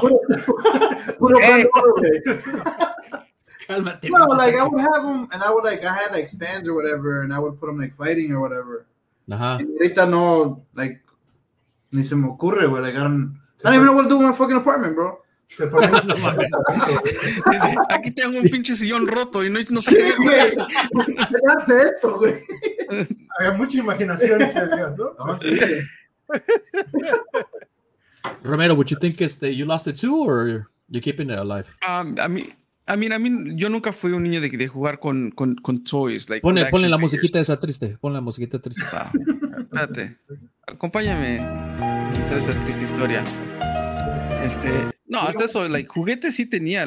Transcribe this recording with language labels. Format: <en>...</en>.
<es>Puro pito, güey. Cálmate,</es> <en>no, like, I would have them, and I would, like, I had, like, stands or whatever, and I would put them, like, fighting or whatever. Uh-huh.</en> <es>Ahorita no, like, ni se me ocurre, güey,</es> <en>like, I don't even know what to do in my fucking apartment, bro.</en> <es>Aquí tengo un pinche sillón roto y no sé. Sí, güey. ¿Qué hace esto, güey? Había mucha imaginación ese día, ¿no? No, sí.</es> <en>Romero, would you think you lost it too, or you're keeping it alive? I mean,</en> <es>yo nunca fui un niño de jugar con toys. Like, ponle la musiquita esa triste. Ponle la musiquita triste. Ah, espérate. Acompáñame a hacer esta triste historia. No, hasta eso, like, juguetes sí tenía.</es>